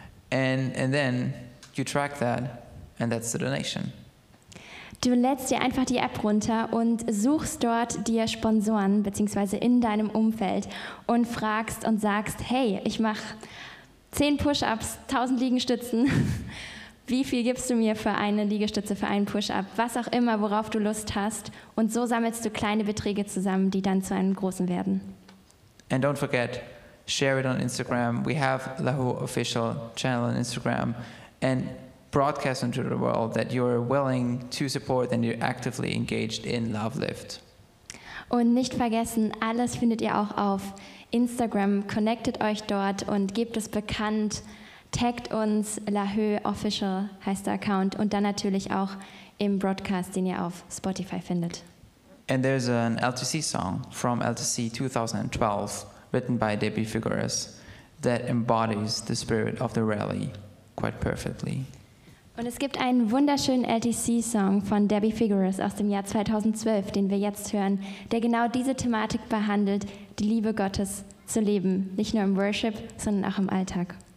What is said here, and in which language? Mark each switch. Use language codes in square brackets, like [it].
[en] And then you track that and that's the donation. [de] Du lädst dir einfach die App runter und suchst dort dir Sponsoren bzw. in deinem Umfeld und fragst und sagst, hey, ich mache 10 Push-Ups, 1000 Liegestützen. Wie viel gibst du mir für eine Liegestütze, für einen Push-Up? Was auch immer, worauf du Lust hast. Und so sammelst du kleine Beträge zusammen, die dann zu einem großen werden. [en] And don't forget, share it on Instagram. We have the LAHO official channel on Instagram. And broadcast into the world that you're willing to support and you're actively engaged in Love Lift. [de] Und nicht vergessen, alles findet ihr auch auf Instagram. Connectet euch dort und gebt es bekannt. Taggt uns, LAHO Official heißt der Account. Und dann natürlich auch im Broadcast, den ihr auf Spotify findet. [en] And there's an LTC song from LTC 2012, written by Debbie Figueres, that embodies the spirit of the rally quite perfectly. [de] Und es gibt einen wunderschönen LTC-Song von Debbie Figueres aus dem Jahr 2012, den wir jetzt hören, der genau diese Thematik behandelt, die Liebe Gottes zu leben, nicht nur im Worship, sondern auch im Alltag.